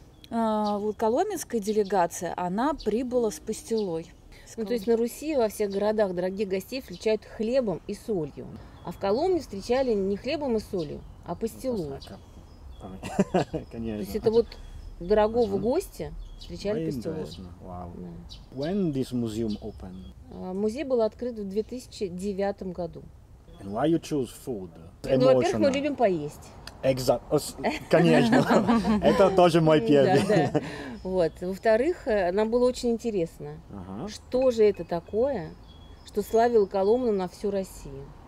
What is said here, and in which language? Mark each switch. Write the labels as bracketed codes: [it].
[ru] Вот коломенская делегация, она прибыла с пастилой. Ну, то есть на Руси во всех городах дорогих гостей встречают хлебом и солью. А в Коломне встречали не хлебом и солью, а пастилой. Конечно. То есть это вот дорогого гостя встречали пастилой. Интересно, вау. [en] When this museum opened? [ru] Музей был открыт в 2009 году. [en] And why you choose food? [ru] Ну, во-первых, мы любим поесть. [en] Exactly. [ru] Конечно. Это тоже мой первый. Да, да. Вот. Во-вторых, нам было очень интересно, что же это такое, что славило Коломну на всю Россию.